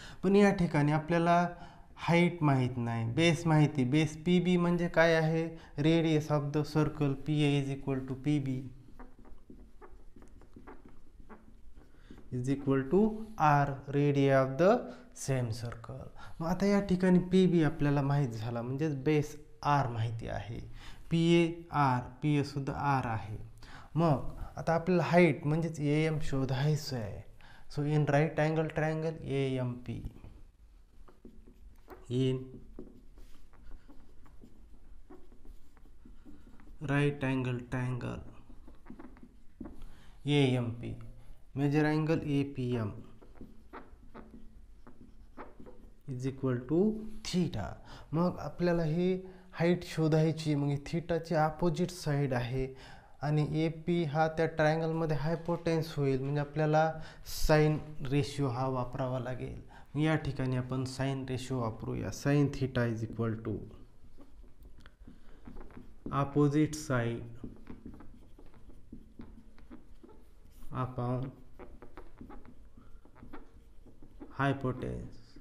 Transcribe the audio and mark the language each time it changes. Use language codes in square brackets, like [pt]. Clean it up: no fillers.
[mr] पण या ठिकाणी आपल्याला हाईट माहीत नाही, बेस माहिती, बेस पी बी म्हणजे काय आहे, [en] Radius of the circle P A is equal to P B is equal to R radii of the same circle. [mr] मग आता या ठिकाणी पी बी आपल्याला माहीत झाला म्हणजेच बेस आर माहिती आहे, P A R, P A सुद्धा आर आहे। मग आता आपल्याला हाईट म्हणजेच ए एम शोधायचं आहे। [en] So in right angle triangle A M P, in right angle triangle A M P, measure angle A P M is equal to theta. [mr] मग आपल्याला ही हाईट शोधायची, म्हणजे थीटाची अपोजिट साईड आहे आणि ए पी हा त्या ट्रायंगलमध्ये हायपोटेन्स होईल, म्हणजे आपल्याला साईन रेशियो हा वापरावा लागेल। या ठिकाणी आपण साईन रेशियो वापरूया, [en] Sine theta is equal to opposite side upon hypotenuse.